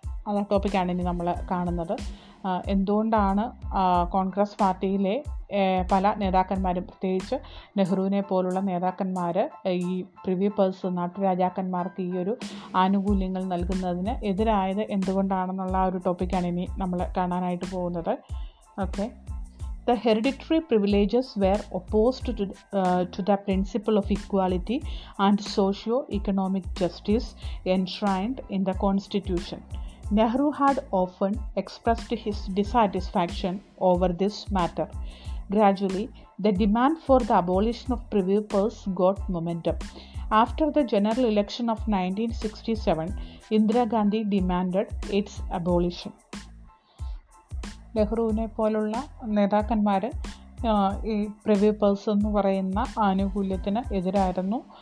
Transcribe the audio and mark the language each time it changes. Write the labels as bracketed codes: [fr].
[ml] ആ ടോപ്പിക്കാണ് ഇനി നമ്മൾ കാണുന്നത്. എന്തുകൊണ്ടാണ് കോൺഗ്രസ് പാർട്ടിയിലെ പല നേതാക്കന്മാരും പ്രത്യേകിച്ച് നെഹ്റുവിനെ പോലുള്ള നേതാക്കന്മാർ ഈ പ്രിവി പേഴ്സ് നാട്ടുരാജാക്കന്മാർക്ക് ഈ ഒരു ആനുകൂല്യങ്ങൾ നൽകുന്നതിന് എതിരായത് എന്തുകൊണ്ടാണെന്നുള്ള ഒരു ടോപ്പിക്കാണ് ഇനി നമ്മൾ കാണാനായിട്ട് പോകുന്നത്. [en] Okay, the hereditary privileges were opposed to the principle of equality and socio economic justice enshrined in the constitution. Nehru had often expressed his dissatisfaction over this matter. Gradually the demand for the abolition of privy purse got momentum. After the general election of 1967, Indira Gandhi demanded its abolition. [ml] നെഹ്റുവിനെ പോലുള്ള നേതാക്കന്മാർ ഈ privy purse എന്ന് പറയുന്ന ആനുകൂല്യത്തിന് എതിരായിരുന്നു.